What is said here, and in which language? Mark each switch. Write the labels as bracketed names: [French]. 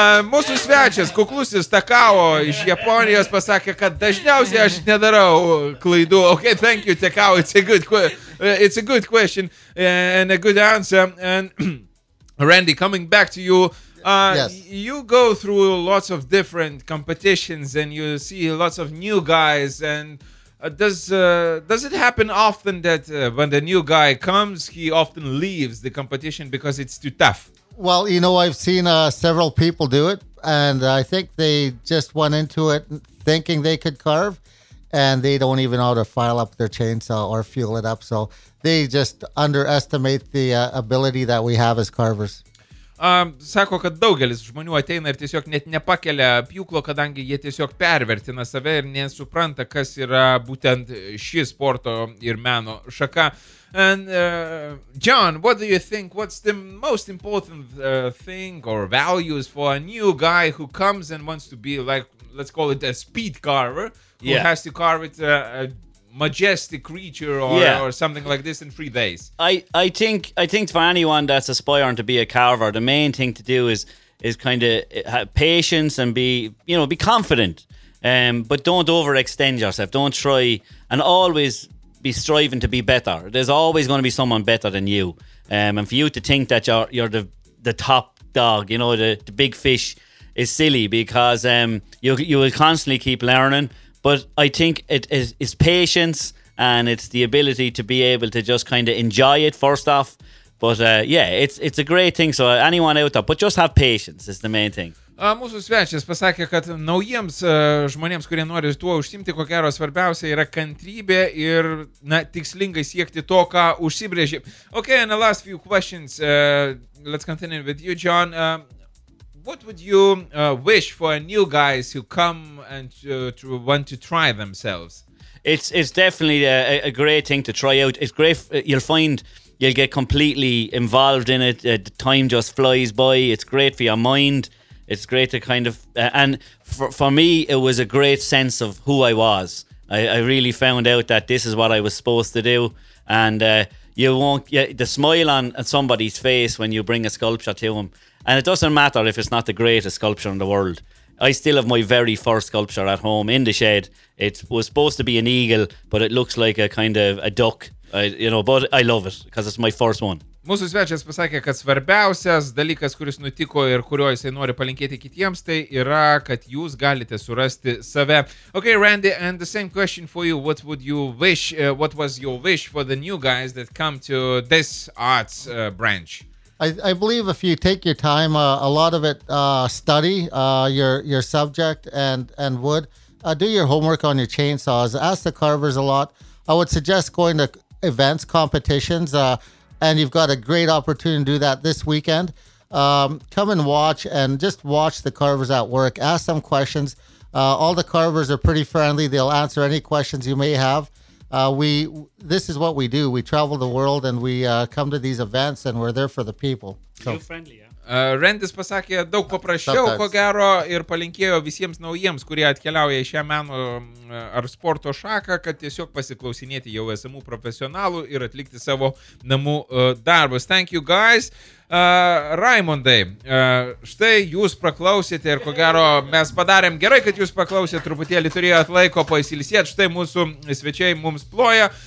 [Lithuanian] Mūsų svečias, kuklusis Takao iš Japonijos, pasakė, kad dažniausiai aš nedarau klaidų. [English] Okay, thank you, Takao. It's a good question and a good answer. And Randy, coming back to you, yes. You go through lots of different competitions and you see lots of new guys. And does it happen often that when the new guy comes, he often leaves the competition because it's too tough? Well, you know, I've seen several people do it, and I think they just went into it thinking they could carve, and they don't even know how to file up their chainsaw or fuel it up. So they just underestimate the ability that we have as carvers. [Lithuanian] Sako, kad daugelis žmonių ateina ir tiesiog net nepakelia pjūklo, kadangi jie tiesiog pervertina save ir nesupranta, kas yra būtent ši sporto ir meno šaka. [English] And John, what do you think? What's the most important thing or values for a new guy who comes and wants to be like, let's call it a speed carver, who has to carve it majestic creature or something like this in 3 days. I think for anyone that's aspiring to be a carver, the main thing to do is kind of have patience and be confident, but don't overextend yourself. Don't try and always be striving to be better. There's always going to be someone better than you, and for you to think that you're the top dog, you know, the big fish, is silly, because you will constantly keep learning. But I think it is patience, and it's the ability to be able to just kind of enjoy it first off. But it's a great thing. So anyone out there, but just have patience is the main thing. [Lithuanian] Mūsų svečias pasakė, kad naujiems žmonėms, kurie nori tuo užsimti, ko gero svarbiausia yra kantrybė ir, na, tikslingai siekti to, ką užsibrėžė. [English] Okay, and the last few questions. Let's continue with you, John. What would you wish for new guys who come and to want to try themselves? It's definitely a great thing to try out. It's great. You'll find you'll get completely involved in it. The time just flies by. It's great for your mind. It's great to kind of... and for me, it was a great sense of who I was. I really found out that this is what I was supposed to do. And you won't get the smile on somebody's face when you bring a sculpture to them. And it doesn't matter if it's not the greatest sculpture in the world. I still have my very first sculpture at home in the shed. It was supposed to be an eagle, but it looks like a kind of a duck. But I love it because it's my first one. [Lithuanian] Mūsų svečias pasakė, kad svarbiausias dalykas, kuris nutiko ir kurio jisai nori palinkėti kitiems, tai yra, kad jūs galite surasti save. [English] Okay, Randy, and the same question for you. What would you wish, what was your wish for the new guys that come to this arts branch? I believe if you take your time, a lot of it study your subject and wood. Do your homework on your chainsaws. Ask the carvers a lot. I would suggest going to events, competitions, and you've got a great opportunity to do that this weekend. Come and watch and just watch the carvers at work. Ask them questions. All the carvers are pretty friendly. They'll answer any questions you may have. This is what we do. We travel the world and we come to these events and we're there for the people. So friendly, yeah. [Lithuanian] Randis pasakė daug paprasčiau, ko gero, ir palinkėjo visiems naujiems, kurie atkeliauja į šią meno ar sporto šaką, kad tiesiog pasiklausinėti jau esamų profesionalų ir atlikti savo namų darbus. [English] Thank you, guys. [Lithuanian] Raimondai, štai jūs praklausėte ir ko gero mes padarėm gerai, kad jūs paklausėt, truputėlį turėjot laiko pasilsėti, štai mūsų svečiai mums ploja.